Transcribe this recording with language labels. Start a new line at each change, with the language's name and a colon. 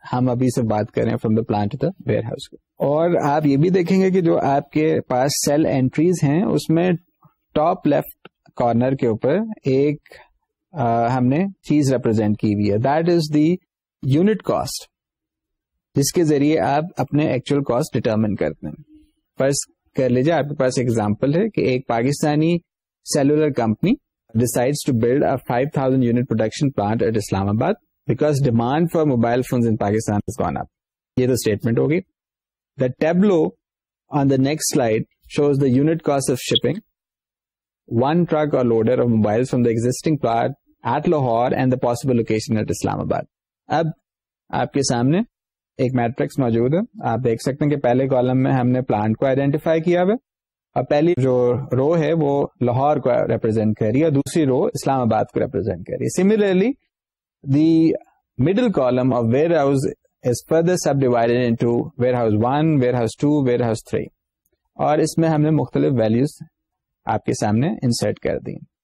Urdu: ہم ابھی سے بات کر رہے ہیں from the planet to the where house. اور آپ یہ بھی دیکھیں گے کہ جو آپ کے پاس سیل انٹریز ہیں اس میں ٹاپ لیفٹ کارنر کے اوپر ایک ہم نے چیز ریپرزینٹ کی ہوئی ہے,
English: that is the unit cost
Urdu: جس کے ذریعے آپ اپنے ایکچوئل کاسٹ ڈیٹرمن کرتے ہیں. فرض کر لیجیے آپ کے پاس ایگزامپل ہے کہ ایک Pakistani cellular company
English: Decide to build a 5000 unit production plant at Islamabad because demand for mobile phones in Pakistan is gone up.
Urdu: یہ تو اسٹیٹمنٹ ہوگی.
English: The tableau on the next slide shows the unit cost of shipping one truck or loader of mobile from the existing plant at Lahore and the possible location at Islamabad.
Urdu: اب آپ کے سامنے ایک میٹرکس موجود ہے. آپ دیکھ سکتے ہیں کہ پہلے کالم میں ہم نے پلانٹ کو آئیڈینٹیفائی کیا ہوا اور پہلی جو رو ہے وہ لاہور کو ریپرزینٹ کر رہی ہے اور دوسری رو اسلام آباد کو ریپرزینٹ کر رہی ہے.
English: similarly the middle column of warehouse is further subdivided into warehouse 1, warehouse 2, warehouse 3
Urdu: اور اس میں ہم نے مختلف ویلوز آپ کے سامنے انسرٹ کر دی.